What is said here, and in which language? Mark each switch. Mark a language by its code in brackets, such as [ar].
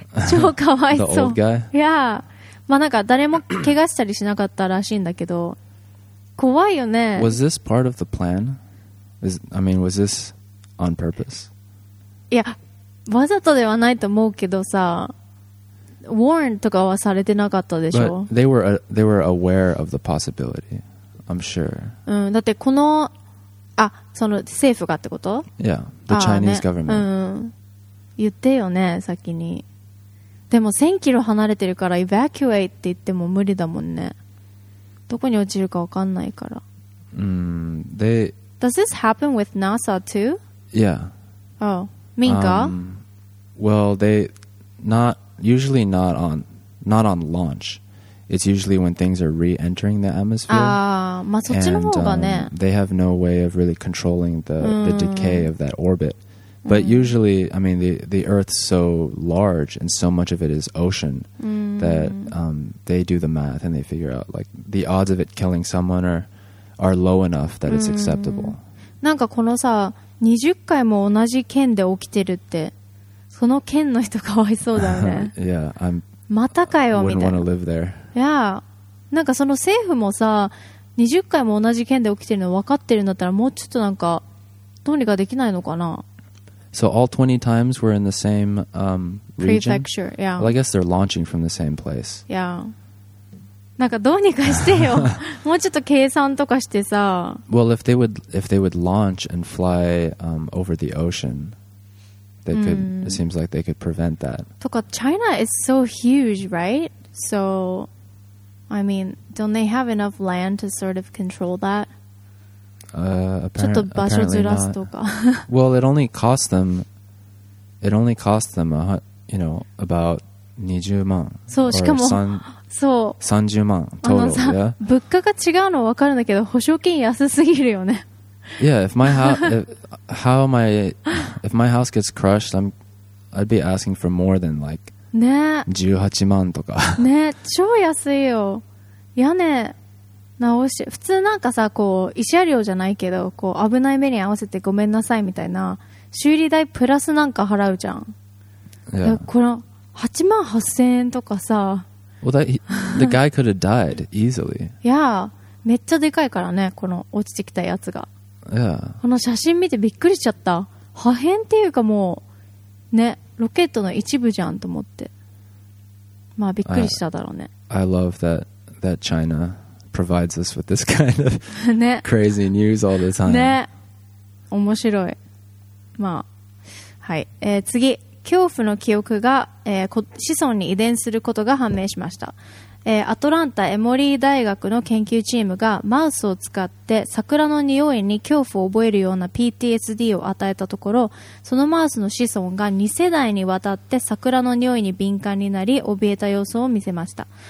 [ja] 超かわいそう。いや、まあ、なんか誰も怪我したりしなかったらしいんだけど、怖いよね。 [en] Was this part of the plan? I mean, was this on purpose? [ja] いや、わざとではないと思うけどさ、warn とかはされてなかったでしょ。 [en] But they were aware of the possibility, I'm sure. [ja] うん、だってこの、あ、その政府がってこと? [en] Yeah, the Chinese government. [ja] うん、言ってよね、先に。でも1000キロ離れてるから evacuate って言っても無理だもんね。どこに落ちるか分かんないから。 [en] Does this happen with NASA too? Yeah. [ja] Oh, 民家? [en] Well, usually not on launch. It's usually when things are re-entering the atmosphere. [ja] Ah, まあそっちの方がね。 [en] They have no way of really controlling the decay of that orbit. But usually, I mean, the Earth's so large and so much of it is ocean that they do the math and they figure out like the odds of it killing someone are low enough that it's acceptable. [ja] なんかこのさ、20回も同じ県で起きてるって、その県の人かわいそうだよね。 [en] Yeah, [ja] またかよみたいな。 [en] Wouldn't want to live there. Yeah. [ja] なんかその政府もさ、20回も同じ県で起きてるの分かってるんだったら、もうちょっとなんか、どうにかできないのかな。 [en] So all 20 times were in the same region? Prefecture, yeah. Well, I guess they're launching from the same place. Yeah. [ja] なんかどうにかしてよ。もうちょっと計算とかしてさ。 [en] Well, if they would launch and fly over the ocean... It seems like they could prevent that. とか China is so huge, right? So, I mean, don't they have enough land to sort of control that? Apparently not. Well, it only cost them, you know, about 20万. [ja] そう、しかも、そう。 [en] 30万 total, yeah? [ja] 物価が違うのは分かるんだけど、保証金安すぎるよね。 [en] Yeah, if my house gets crushed, I'd be asking for more than like 18万とか。 [ja] ね、超安いよ。屋根直し、普通なんかさ、こう慰謝料じゃないけど、こう危ない目に合わせてごめんなさいみたいな修理代プラスなんか払うじゃん。いや、この8万8000円とかさ。 [en] Well, the guy could have died easily. [ja] Yeah, めっちゃでかいからね、この落ちてきたやつが。 [en] Yeah. [ja] この写真見てびっくりしちゃった。破片っていうかもうね、ロケットの一部じゃんと思って。まあびっくりしただろうね。 [en] I love that China provides us with this kind of 、ね、crazy news all the time. [ja] ね。面白い。まあ、はい。次。恐怖の記憶が、子孫に遺伝することが判明しました。アトランタエモリー大学の研究チームがマウスを使って桜の匂いに恐怖を覚えるような PTSD を与えたところ、そのマウスの子孫が2世代にわたって桜の匂いに敏感になり怯えた様子を見せました。